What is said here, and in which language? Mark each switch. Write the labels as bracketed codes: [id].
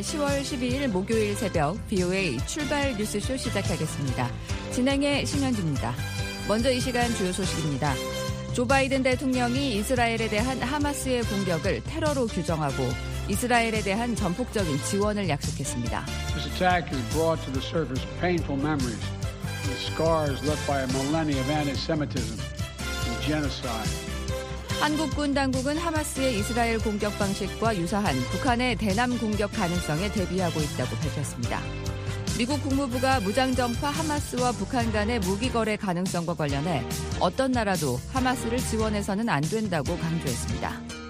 [ko] 10월 12일 목요일 새벽 VOA 출발 뉴스쇼 시작하겠습니다. 진행의 신현주입니다. 먼저 이 시간 주요 소식입니다. 조 바이든 대통령이 이스라엘에 대한 하마스의 공격을 테러로 규정하고 이스라엘에 대한 전폭적인 지원을 약속했습니다. [en] This attack has brought to the surface painful memories, the scars left by a millennia of anti-Semitism and genocide. [ko] 한국군 당국은 하마스의 이스라엘 공격 방식과 유사한 북한의 대남 공격 가능성에 대비하고 있다고 밝혔습니다. 미국 국무부가 무장정파 하마스와 북한 간의 무기 거래 가능성과 관련해 어떤 나라도 하마스를 지원해서는 안 된다고 강조했습니다.